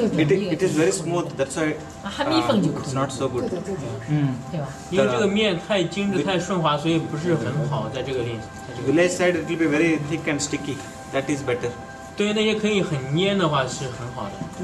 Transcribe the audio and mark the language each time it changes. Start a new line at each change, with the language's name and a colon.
English: It is very smooth, that's why it's not so good.
Chinese: 因为这个面太精致太顺滑，所以不是很好在这个练习。
English: Village side it will be very thick and sticky, that is better.
Chinese: 对于那些可以很粘的话是很好的。